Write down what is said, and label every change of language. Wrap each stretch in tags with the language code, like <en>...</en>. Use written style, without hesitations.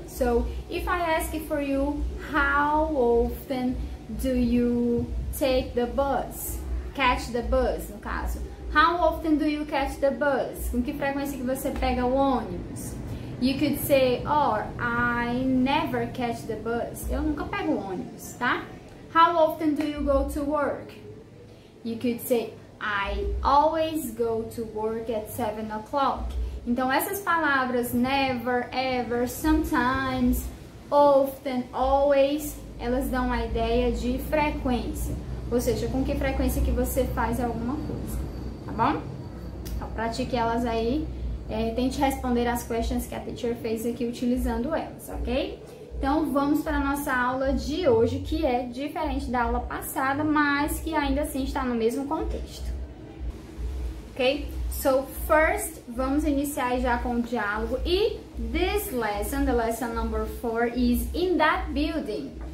<en>So, if I ask for you, how often do you take the bus? Catch the bus,</en> <pt>no caso.</pt> <en>How often do you catch the bus?</en> <pt>Com que frequência que você pega o ônibus?</pt> <en>You could say, oh, I never catch the bus.</en> <pt>Eu nunca pego o ônibus, tá?</pt> <en>How often do you go to work? You could say, I always go to work at 7 o'clock.</en> <pt>Então, essas palavras, never, ever, sometimes, often, always, elas dão a ideia de frequência. Ou seja, com que frequência que você faz alguma coisa. Tá bom? Então, pratique elas aí. Tente responder as questions que a teacher fez aqui utilizando elas, ok? Então, vamos para a nossa aula de hoje, que é diferente da aula passada, mas que ainda assim está no mesmo contexto. Ok?</pt> <en>So, first,</en> <pt>vamos iniciar já com o diálogo.</pt> <en>E this lesson, the lesson number 4, is in that building.</en>